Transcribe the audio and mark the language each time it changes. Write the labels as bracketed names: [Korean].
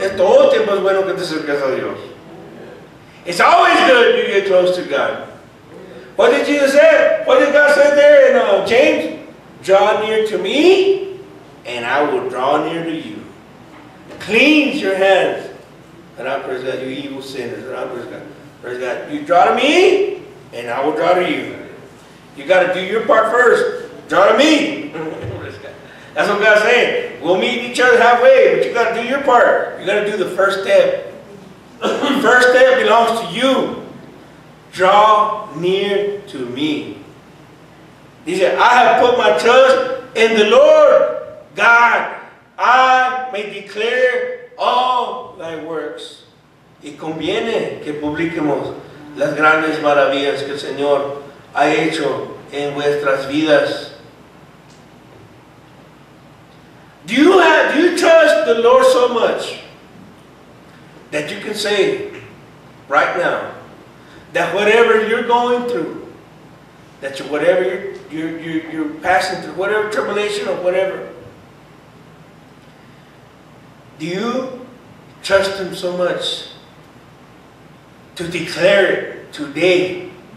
[Spanish] Es todo el tiempo es bueno que te acerques a Dios. [English] It's always good to get close to God. What did Jesus say? What did God say there in James? Draw near to me, and I will draw near to you. Cleanse your hands. And I praise God, you evil sinners. And I praise God. Praise God. You draw to me, and I will draw to you. You got to do your part first. Draw to me. That's what God's saying. We'll meet each other halfway, but you got to do your part. You got to do the first step. First step belongs to you. Draw near to me. He said, I have put my trust in the Lord God. I may declare all thy works. [Spanish] Y conviene que publiquemos las grandes maravillas que el Señor ha hecho en vuestras vidas. [English] Do you trust the Lord so much that you can say right now that whatever you're going through, that whatever you're passing through, whatever tribulation or whatever, do you trust Him so much to declare it today?